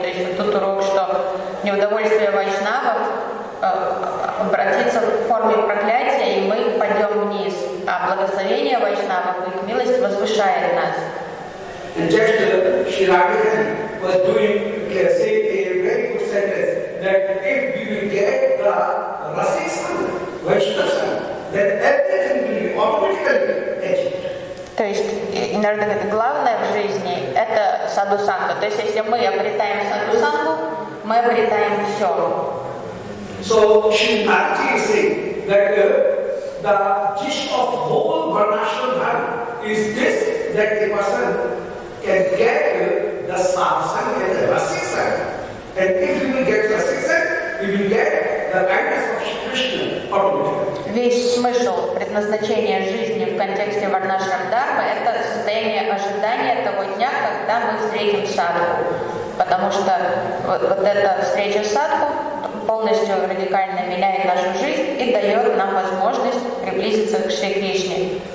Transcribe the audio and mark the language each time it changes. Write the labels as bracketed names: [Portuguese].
[Russian] То есть вот тут урок, что неудовольствие Вайшнавов обратится в форме проклятия, и мы пойдем вниз, а благословение Вайшнавов, их милость возвышает нас. [English] And just Sri Radhika was doing, you can say, a very good sentence that if we will get the Rasi Sangha, Vaishnava Sangha, then everything will be automatically achieved. [Russian] То есть, иногда говорят, главное в жизни – это саду санга. То есть, если мы обретаем саду сангу, мы обретаем все. [English] So, Sri Radhika is saying that the gist of whole Varnashram Dharma is this, that a person can get the sadhusang and the rasiksang. And if you will get the rasiksang, you will get the kindness of Shri Krishna automatically. [Russian] Весь смысл предназначения жизни в контексте варнашрам дхармы – это состояние ожидания того дня, когда мы встретим садху. Потому что вот эта встреча садху полностью радикально меняет нашу жизнь и дает нам возможность приблизиться к Шри Кришне.